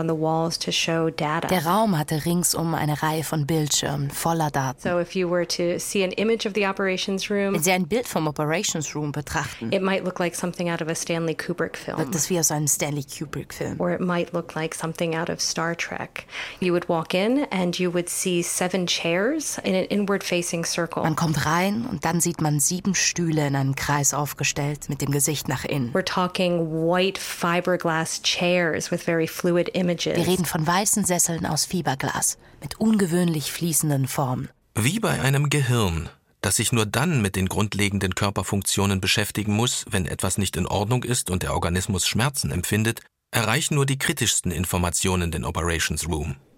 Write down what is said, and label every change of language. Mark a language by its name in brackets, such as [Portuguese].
[German] Der Raum hatte ringsum eine Reihe von Bildschirmen voller Daten. Wenn Sie ein Bild vom Operations Room betrachten, [English] it might look like something out of a Stanley Kubrick film. [German] Wirkt es wie aus einem Stanley Kubrick Film. [English] Or it might look like something out of Star Trek. You would walk in and you would see seven chairs in an inward-facing circle. [German] Man kommt rein und dann sieht man sieben Stühle in einem Kreis aufgestellt, mit dem Gesicht nach innen. [English] We're talking white fiberglass chairs with very fluid images. [German] Wir reden von weißen Sesseln aus Fiberglas mit ungewöhnlich fließenden Formen. Wie bei einem Gehirn, das sich nur dann mit den grundlegenden Körperfunktionen beschäftigen muss, wenn etwas nicht in Ordnung ist und der Organismus Schmerzen empfindet, erreichen nur die kritischsten Informationen den Operations Room.